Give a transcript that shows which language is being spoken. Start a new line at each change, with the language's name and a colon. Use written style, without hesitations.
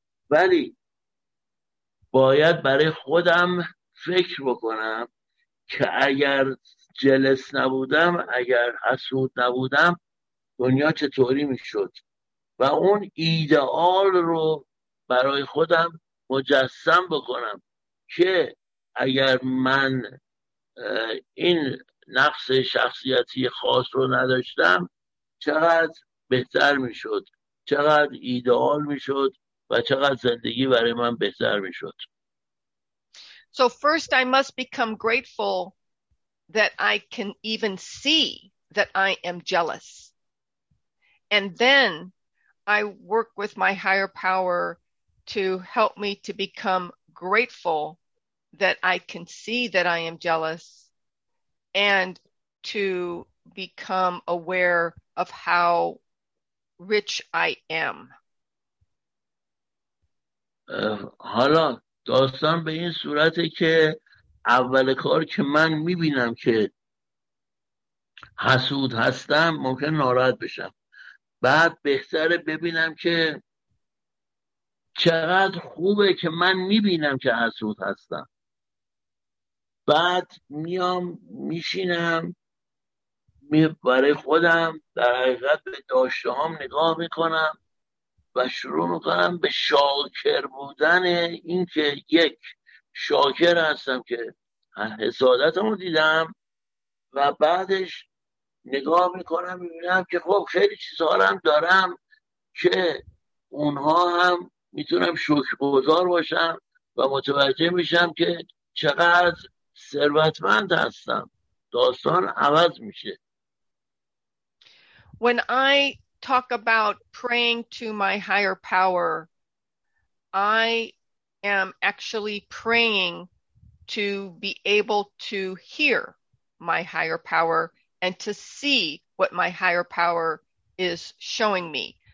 Persian: ولی باید برای خودم فکر بکنم که اگر جلس نبودم، اگر حسود نبودم، دنیا چطوری میشد و اون ایدئال رو برای خودم مجسم بکنم که اگر من این نقص شخصیتی خاص رو نداشتم چقدر بهتر میشد، چقدر ایدئال میشد و چقدر زندگی برای من بهتر میشد.
English: So first I must become grateful that I can even see that I am jealous. And then I work with my higher power to help me to become grateful that I can see that I am jealous and to become aware of how rich I am.
Persian: حالا داستان به این صورته که اول کار که من میبینم که حسود هستم ممکن ناراحت بشم. بعد بهتره ببینم که چقدر خوبه که من میبینم که حسود هستم. بعد میام میشینم برای خودم در حقیقت به داشته هم نگاه میکنم و شروع میکنم به شاکر بودن این که یک شاکر هستم که حسادتمو دیدم و بعدش نگاه میکنم میبینم که خب خیلی چیزها هم دارم که اونها هم میتونم شکرگزار باشم و متوجه میشم که چقدر ثروتمند هستم. داستان عوض میشه.
English: When I talk about praying to my higher power, I am actually praying to be able to hear my higher power and to see what my higher power is showing me.